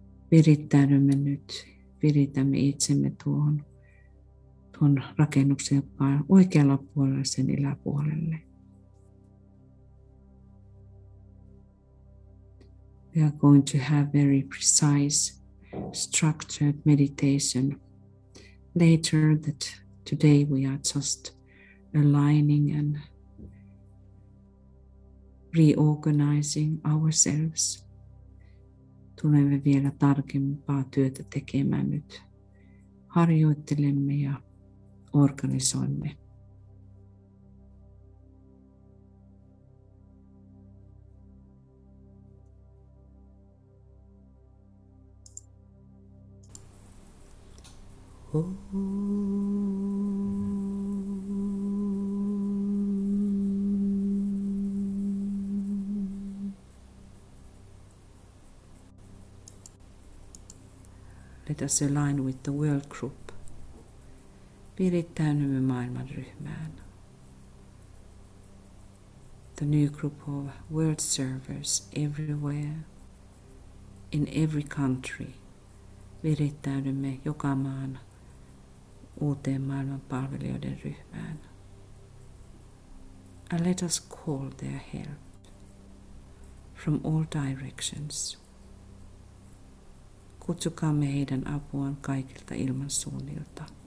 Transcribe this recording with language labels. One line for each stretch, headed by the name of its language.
Finnish: Virittäydymme nyt, viritämme itsemme tuon rakennuksen, joka on oikealla puolella sen yläpuolelle.
English: We are going to have very precise, structured meditation later, that today we are just aligning and reorganizing ourselves.
Finnish: Tulemme vielä tarkempaa työtä tekemään nyt. Harjoittelemme ja organisoimme.
English: Let us align with the world group.
Finnish: Virittäydymme maailmanryhmään.
English: The new group of world servers everywhere, in every country.
Finnish: Virittäydymme joka maan uuteen maailman palvelijoiden ryhmään.
English: And let us call their help from all directions.
Finnish: Kutsukaamme heidän apuaan kaikilta ilmansuunnilta.